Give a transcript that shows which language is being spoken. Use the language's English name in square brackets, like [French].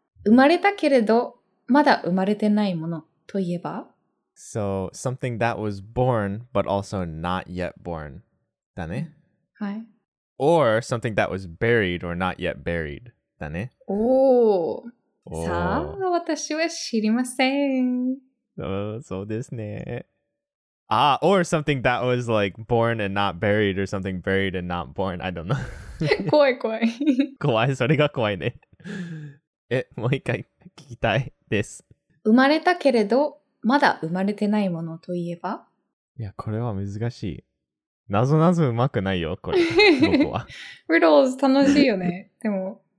[Japanese] 生まれたけれど、まだ生まれてないものといえば? [English] So, something that was born, but also not yet born. [Japanese] だね? はい。 [English] Or something that was buried or not yet buried. [Japanese] だね。おお。さあ、私は知りません。そうですね。 [English] Ah, or something that was like born and not buried or something buried and not born. I don't know. [Japanese] 怖い怖い。怖い、それが怖いね。え、もう一回聞きたいです。生まれたけれど、まだ生まれてないものといえば? いや、これは難しい。なぞなぞうまくないよ、これ。僕は。 Riddles 楽しいよね、でも。